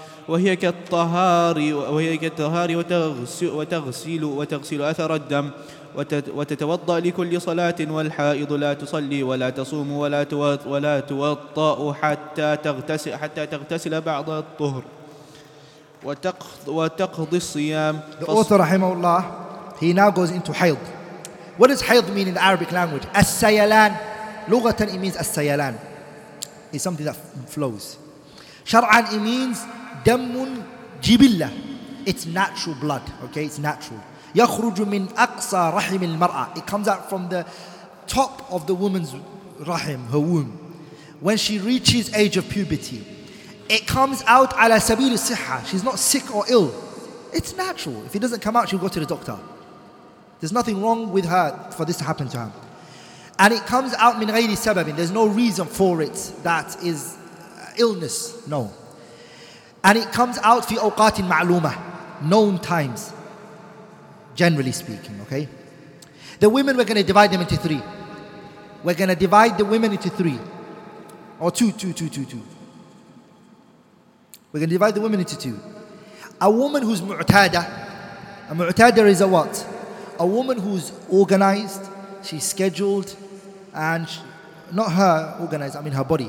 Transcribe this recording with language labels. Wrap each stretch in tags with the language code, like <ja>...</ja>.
<ar>وهي كالطهار وتغسل أثر الدم وتتوضأ لكل صلاة، والحائض لا تصلي ولا تصوم ولا توضأ حتى تغتسل بعض الطهر وتقضي الصيام.</ar> <en>The author رحمه الله, he now goes into حيض. What does حيض mean in the Arabic language?</en> <ar>السيلان. لغة</ar> <en>it means السيلان. It's something that flows. شرعا it means</en> <ar>دم جبلة.</ar> <en>It's natural blood. Okay, it's natural.</en> <ar>يخرج من أقصى رحم المرأة.</ar> <en>It comes out from the top of the woman's rahim, her womb. When she reaches age of puberty, it comes out</en> <ar>على سبيل الصحة.</ar> <en>She's not sick or ill. It's natural. If it doesn't come out, she'll go to the doctor. There's nothing wrong with her for this to happen to her. And it comes out</en> <ar>من غير سبب.</ar> <en>There's no reason for it that is illness. No. And it comes out</en> <ar>في أوقات معلومة.</ar> <en>Known times. Generally speaking, okay? The women, we're going to divide them into three. We're going to divide the women into three. Or two. We're going to divide the women into two. A woman who's mu'tada. A mu'tada is a what? A woman who's organized, she's scheduled, and she, not her organized, I mean her body.</en>